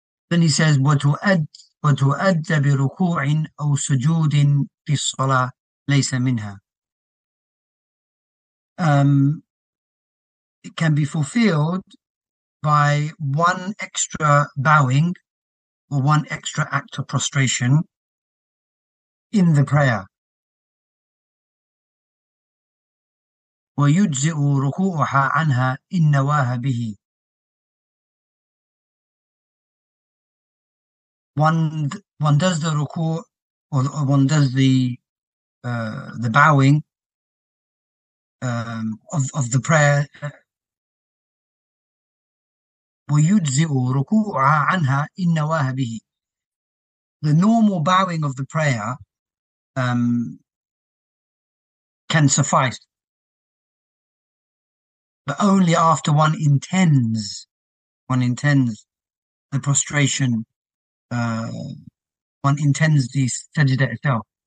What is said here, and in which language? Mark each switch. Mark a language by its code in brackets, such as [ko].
[en] Then he says, [ar] وَتُؤَدَّ بِرُكُوعٍ أَوْ سُجُودٍ فِي الصَّلَاةِ لَيْسَ مِنْهَا, [en] it can be fulfilled by one extra bowing or one extra act of prostration in the prayer. [ar] ويجزئ ركوعها عنها إن نواها به. [en] One does the ruku, or one does the bowing of the prayer. [ar] ويجزئ ركوعها عنها إن نواها به. [en] The normal bowing of the prayer can suffice, but only after one intends the prostration, one intends the sajda itself.